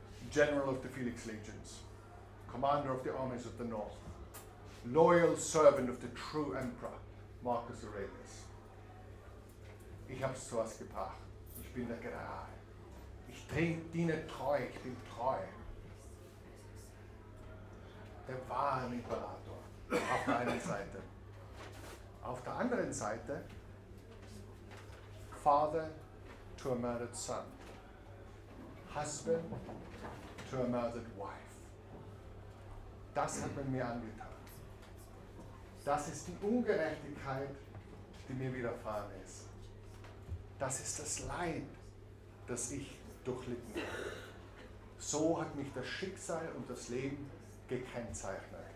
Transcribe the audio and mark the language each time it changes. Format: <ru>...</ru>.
<en>General of the Felix Legions, Commander of the Armies of the North, loyal servant of the true Emperor, Marcus Aurelius.</en> <de>Ich habe es zu was gebracht. Ich bin der General. Ich diene treu, ich bin treu. Der wahre Imperator auf der einen Seite. Auf der anderen Seite,</de> <en>father to a murdered son, husband to a murdered wife.</en> <de>Das hat man mir angetan. Das ist die Ungerechtigkeit, die mir widerfahren ist. Das ist das Leid, das ich durchlitten habe. So hat mich das Schicksal und das Leben gekennzeichnet.</de>